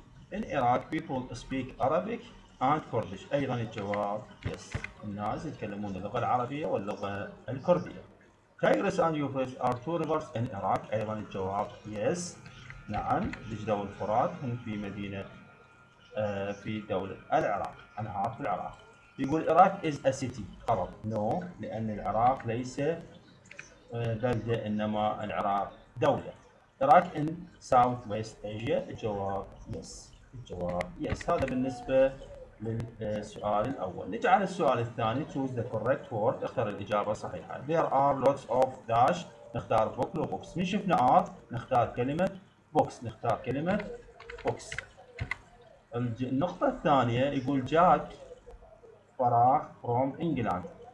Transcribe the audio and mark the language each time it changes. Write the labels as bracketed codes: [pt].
[en] In Iraq people speak Arabic and Kurdish. [ar] أيضا الجواب yes. الناس يتكلمون اللغة العربية واللغة الكردية. [en] Tigris and Euphrates are two rivers in Iraq. [ar] أيضا الجواب yes. نعم، دجلة والفرات هم في مدينة في دولة العراق، أنهار في العراق. [en] يقول العراق is a city. [ar] قرب no، لأن العراق ليس بلدة إنما العراق دولة. [en] العراق in southwest Asia. [ar] الجواب yes. الجواب yes. هذا بالنسبة للسؤال الأول. نجي على السؤال الثاني. [en] choose the correct word. [ar] اختار الإجابة الصحيحة. [en] there are lots of dash. [ar] نختار book لو books. من شفنا are نختار كلمة books. نختار كلمة books. النقطة الثانية يقول جاك فراغ [en] from England.